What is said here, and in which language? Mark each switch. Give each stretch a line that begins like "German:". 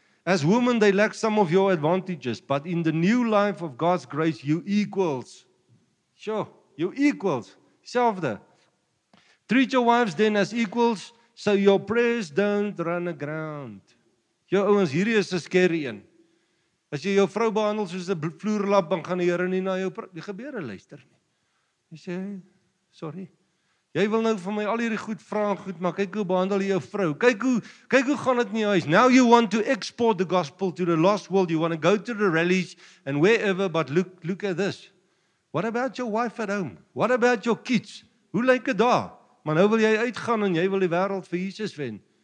English: As women, they lack some of your advantages, but in the new life of God's grace, you equals. Sure, you equals. Selfde. Treat your wives then as equals, so your prayers don't run aground.
Afrikaans: Jou ouens, hierdie is 'n scary een. As jy jou vrou behandel soos 'n vloerlap, dan gaan die Here nie na jou die gebeure luister nie. Jy sê, sorry. Jy wil nou vir my al hierdie goed vra en goed, maar kyk hoe behandel jy jou vrou. Kyk hoe gaan dit in jou huis.
English: Now you want to export the gospel to the lost world. You want to go to the rallies and wherever, but look at this. What about your wife at home? What about your kids?
Afrikaans: Hoe lyk dit daar? Maar nou wil jy uitgaan en jy wil die wêreld vir Jesus wen.